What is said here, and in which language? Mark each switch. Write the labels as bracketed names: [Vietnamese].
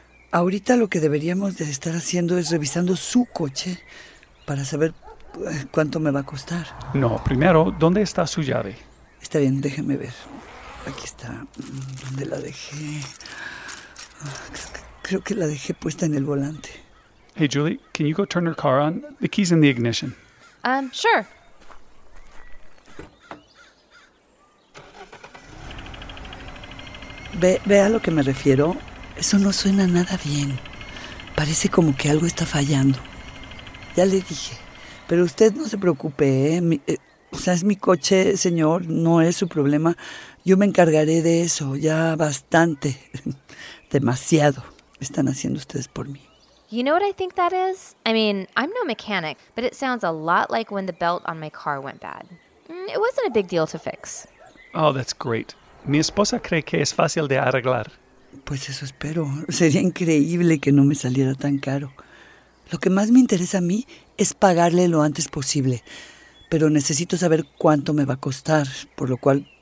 [Spanish] Ahorita lo que deberíamos de estar haciendo es revisando su coche para saber cuánto me va a costar. No, primero, ¿dónde está su llave? Está bien, déjeme ver. Aquí está. ¿Dónde la dejé? Creo que la dejé puesta en el volante. [English] Hey, Julie, can you go turn her car on? The key's in the ignition. Sure. [Spanish] Ve a lo que me refiero. Eso no suena nada bien. Parece como que algo está fallando. Ya le dije. Pero usted no se preocupe, ¿eh? Es mi coche, señor. No es su problema. Yo me encargaré de eso. Ya bastante. Demasiado. Están haciendo ustedes por mí. [English] You know what I think that is? I mean, I'm no mechanic, but it sounds a lot like when the belt on my car went bad. It wasn't a big deal to fix. Oh, that's great. [Spanish] Mi esposa cree que es fácil de arreglar. Pues eso espero. Sería increíble que no me saliera tan caro. Lo que más me interesa a mí es pagarle lo antes posible. Pero necesito saber cuánto me va a costar, por lo cual